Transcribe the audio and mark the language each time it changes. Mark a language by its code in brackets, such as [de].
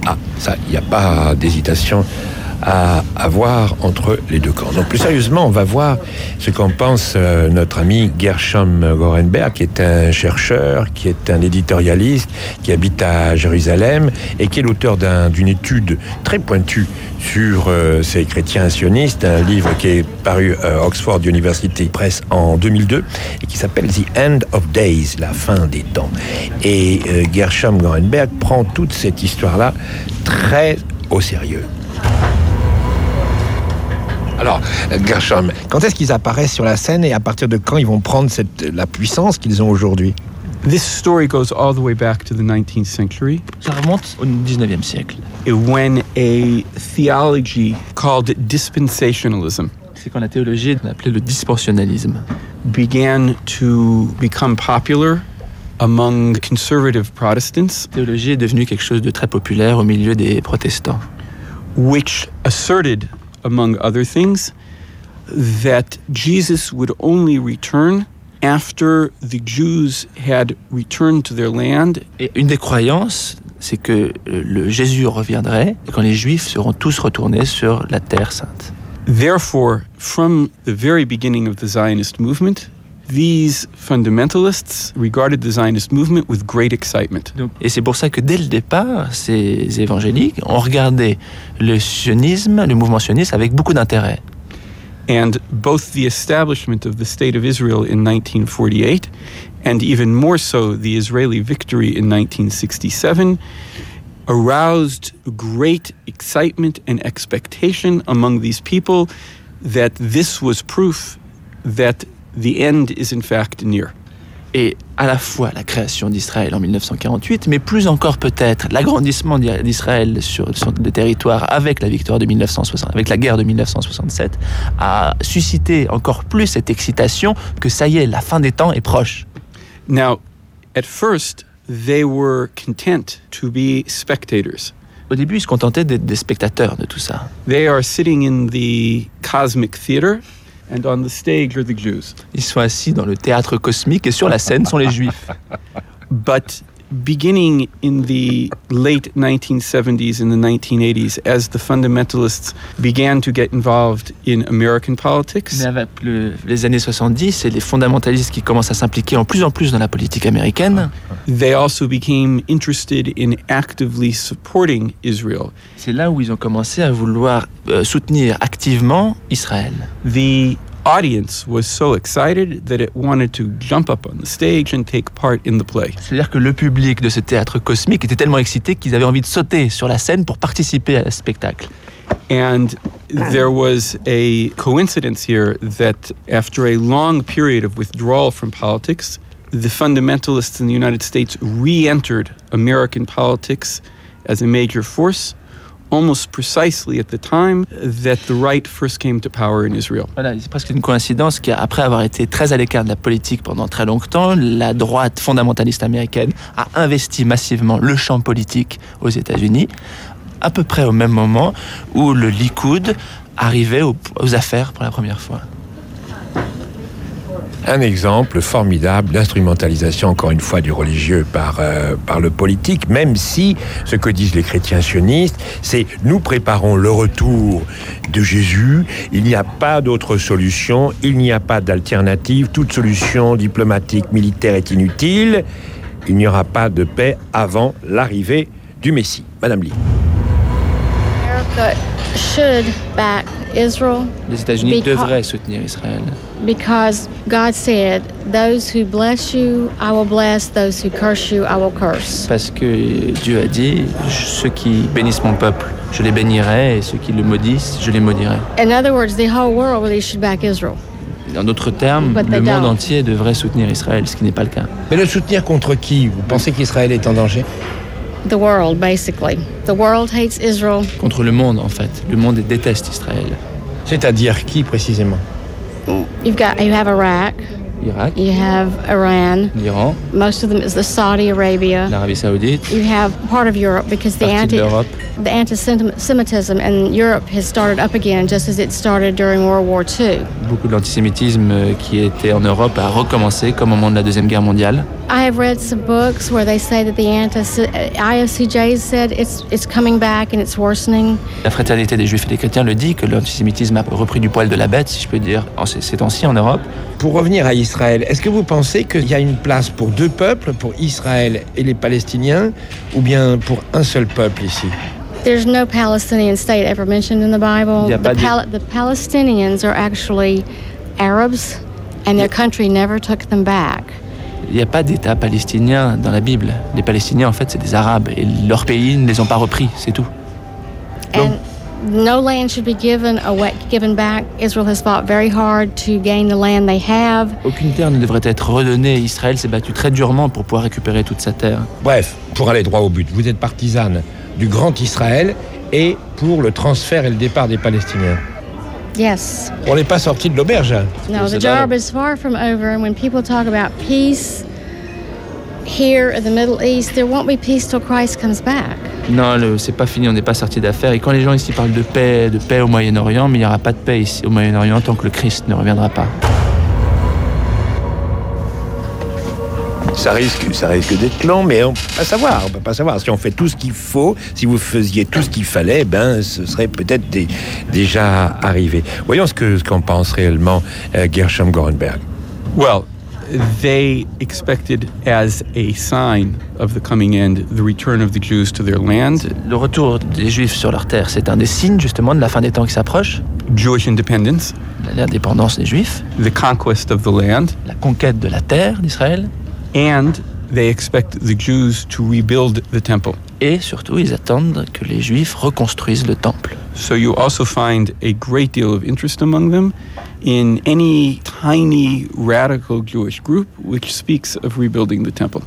[fr] Ah, ça, il n'y a pas d'hésitation à avoir entre les deux camps. Donc, plus sérieusement, on va voir ce qu'en pense notre ami Gershom Gorenberg, qui est un chercheur, qui est un éditorialiste, qui habite à Jérusalem et qui est l'auteur d'une étude très pointue sur ces chrétiens sionistes, un livre qui est paru à Oxford University Press en 2002 et qui s'appelle The End of Days, la fin des temps. Et Gershom Gorenberg prend toute cette histoire-là très au sérieux. Alors, Gershom, quand est-ce qu'ils apparaissent sur la scène et à partir de quand ils vont prendre la puissance qu'ils ont aujourd'hui? [en] This story goes all the way back to the 19th century. [fr] Ça remonte au 19e siècle. [en] Et when a theology called dispensationalism, [fr] c'est quand la théologie l'appelait le dispensationalisme, [en] began to become popular, among conservative Protestants. [fr] La théologie est devenue quelque chose de très populaire au milieu des protestants. [en] Which asserted, among other things, that Jesus would only return after the Jews had returned to their land. [fr] Et une des croyances, c'est que le Jésus reviendrait quand les Juifs seront tous retournés sur la Terre Sainte. [en] Therefore, from the very beginning of the Zionist movement, these fundamentalists regarded the Zionist movement with great excitement. [fr] Et c'est pour ça que dès le départ, ces évangéliques ont regardé le sionisme, le mouvement sioniste, avec beaucoup d'intérêt. [en] And both the establishment of the State of Israel in 1948, and even more so the Israeli victory in 1967, aroused great excitement and expectation among these people that this was proof that the end is in fact near. [fr] Et à la fois la création d'Israël en 1948, mais plus encore peut-être l'agrandissement d'Israël sur le territoire avec la victoire de 1960, avec la guerre de 1967, a suscité encore plus cette excitation que ça y est, la fin des temps est proche. [en] Now, at first, they were content to be spectators. [fr] Au début, ils se contentaient d'être des spectateurs de tout ça. [en] They are sitting in the cosmic theater. And on the stage are the Jews. [fr] Ils sont assis dans le théâtre cosmique et sur la scène sont les Juifs. [en] But beginning in the late 1970s and the 1980s, as the fundamentalists began to get involved in American politics. [fr] Mais avec les années 70, c'est les fondamentalistes qui commencent à s'impliquer en plus dans la politique américaine. [en] They also became interested in actively supporting Israel. [fr] C'est là où ils ont commencé à vouloir soutenir activement Israël. [en] The audience was so excited that it wanted to jump up on the stage and take part in the play. [fr] C'est-à-dire que le public de ce théâtre cosmique était tellement excité qu'ils avaient envie de sauter sur la scène pour participer à ce spectacle. [en] And there was a coincidence here that after a long period of withdrawal from politics, the fundamentalists in the United States re-entered American politics as a major force. Almost precisely at the time that the right first came to power in Israel. [fr] Voilà, c'est presque une coïncidence qu'après avoir été très à l'écart de la politique pendant très longtemps, la droite fondamentaliste américaine a investi massivement le champ politique aux États-Unis, à peu près au même moment où le Likoud arrivait aux affaires pour la première fois. Un exemple formidable d'instrumentalisation, encore une fois, du religieux par le politique, même si ce que disent les chrétiens sionistes, c'est « nous préparons le retour de Jésus, il n'y a pas d'autre solution, il n'y a pas d'alternative, toute solution diplomatique, militaire est inutile, il n'y aura pas de paix avant l'arrivée du Messie ». Madame Lee. [en] Should back Israel. [fr] Les États-Unis devraient soutenir Israël. [en] Because God said, "Those who bless you, I will bless; those who curse you, I will curse." [fr] Parce que Dieu a dit, ceux qui bénissent mon peuple, je les bénirai, et ceux qui le maudissent, je les maudirai. [en] In other words, the whole world really should back Israel. [fr] Dans d'autres termes, le monde entier devrait soutenir Israël, ce qui n'est pas le cas. Mais le soutenir contre qui? Vous pensez qu'Israël est en danger? [en] The world, basically. The world hates Israel. [fr] Contre le monde, en fait. Le monde déteste Israël. C'est-à-dire qui, précisément? [en] You have Iraq. [fr] Irak. [en] You have Iran. [fr] L'Iran. [en] Most of them is the Saudi Arabia. [fr] L'Arabie Saoudite. [en] You have part of Europe because the anti-Semitism in Europe has started up again just as it started during World War II. [fr] Beaucoup de l'antisémitisme qui était en Europe a recommencé comme au moment de la Deuxième Guerre mondiale. [en] I have read some books where they say that the ISCJ said it's coming back and it's worsening. [fr] La Fraternité des Juifs et des Chrétiens le dit que l'antisémitisme a repris du poil de la bête, si je peux dire, ces temps-ci en Europe. Pour revenir à Israël, est-ce que vous pensez qu'il y a une place pour deux peuples, pour Israël et les Palestiniens, ou bien pour un seul peuple ici? [en] There's no Palestinian state ever mentioned in the Bible. The Palestinians are actually Arabs and their country never took them back. [fr] Il n'y a pas d'État palestinien dans la Bible. Les Palestiniens, en fait, c'est des Arabes. Et leur pays ne les ont pas repris, c'est tout. [en] And no land should be given back. Israel has fought very hard to gain the land they have. [fr] Aucune terre ne devrait être redonnée. Israël s'est battu très durement pour pouvoir récupérer toute sa terre. Bref, pour aller droit au but, vous êtes partisane du grand Israël et pour le transfert et le départ des Palestiniens. [en] Yes. [fr] On n'est pas sorti de l'auberge. [en] No, the job is far from over. And when people talk about peace, here in the Middle East, there won't be peace till Christ comes back. [fr] Non, c'est pas fini, on n'est pas sorti d'affaire. Et quand les gens ici parlent de paix au Moyen-Orient, mais il n'y aura pas de paix ici au Moyen-Orient tant que le Christ ne reviendra pas. Ça risque d'être lent, mais on ne peut pas savoir. Si on fait tout ce qu'il faut, si vous faisiez tout ce qu'il fallait, ben, ce serait peut-être déjà arrivé. Voyons ce qu'en pense réellement Gershom Gorenberg. [en] Well, they expected as a sign of the coming end, the return of the Jews to their land. [fr] Le retour des Juifs sur leur terre, c'est un des signes justement de la fin des temps qui s'approche. [en] Jewish independence. [fr] L'indépendance des Juifs. [en] The conquest of the land. [fr] La conquête de la terre d'Israël. [en] And they expect the Jews to rebuild the temple. [fr] Et surtout, ils attendent que les Juifs reconstruisent le temple. [en] So you also find a great deal of interest among them in any tiny radical Jewish group which speaks of rebuilding the temple.